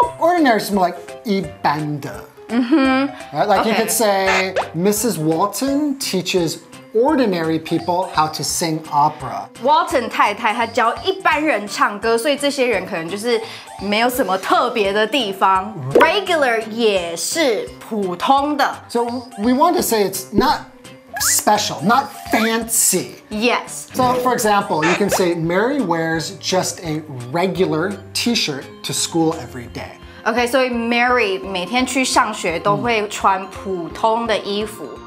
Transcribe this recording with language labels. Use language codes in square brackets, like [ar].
[en] Ordinary is more like 一般的 Right, like、okay. you could say Mrs. Walton teaches ordinary people how to sing opera. [zh] Walton 太太她教一般人唱歌，所以这些人可能就是没有什么特别的地方。 Regular 也是普通的。 [en] So we want to say it's not special, not fancy. Yes. So for example, you can say Mary wears just a regular t-shirt to school every day. [zh] Okay, so Mary 每天去上学都会穿普通的衣服。